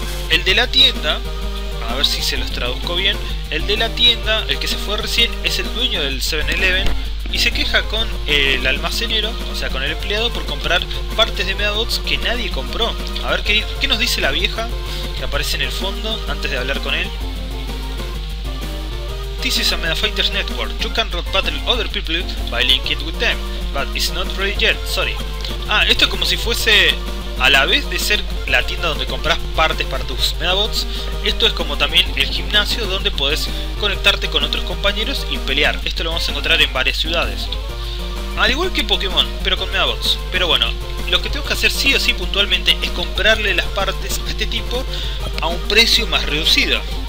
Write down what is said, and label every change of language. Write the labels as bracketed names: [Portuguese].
[Spanish] El de la tienda, a ver si se los traduzco bien, el de la tienda, el que se fue recién, es el dueño del 7-Eleven y se queja con el almacenero, o sea, con el empleado, por comprar partes de Megabots que nadie compró. A ver, ¿qué nos dice la vieja que aparece en el fondo antes de hablar con él? [English] This is a Metafighters Network. You can road battle other people by linking with them, but it's not ready yet, sorry. [Spanish] Ah, esto es como si fuese, a la vez de ser la tienda donde compras partes para tus Metabots, esto es como también el gimnasio donde podés conectarte con otros compañeros y pelear. Esto lo vamos a encontrar en varias ciudades. Al igual que Pokémon, pero con Metabots. Pero bueno, lo que tengo que hacer sí o sí puntualmente es comprarle las partes a este tipo a un precio más reducido.